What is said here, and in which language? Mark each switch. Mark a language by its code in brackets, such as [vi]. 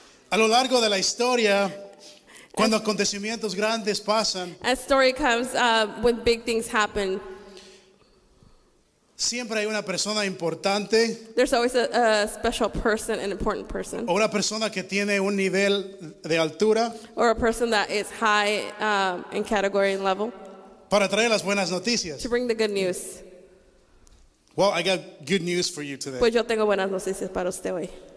[es] A lo largo de la historia, cuando acontecimientos grandes pasan, [en] as story comes, when big things happen, [es] siempre hay una persona importante. [en] There's always a special person, an important person. [es] O una persona que tiene un nivel de altura. [en] Or a person that is high in category and level. [es] Para traer las buenas noticias. [en] To bring the good news. Well, I got good news for you today. [es] Pues yo tengo buenas noticias para usted hoy.